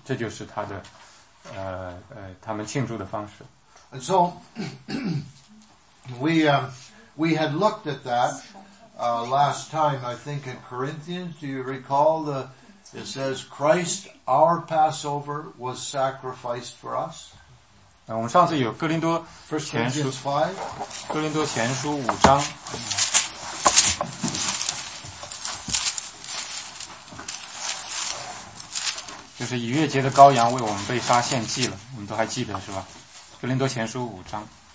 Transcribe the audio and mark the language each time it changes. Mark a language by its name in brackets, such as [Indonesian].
[Chinese] 这就是他的他们庆祝的方式。 [English] And so we had looked at that. Last time, I think in Corinthians, do you recall it says Christ, our Passover, was sacrificed for us? [Chinese] 那我们上次有哥林多前书 5, 哥林多前书五章。就是逾越节的羔羊为我们被杀献祭了，我们都还记得是吧？哥林多前书五章。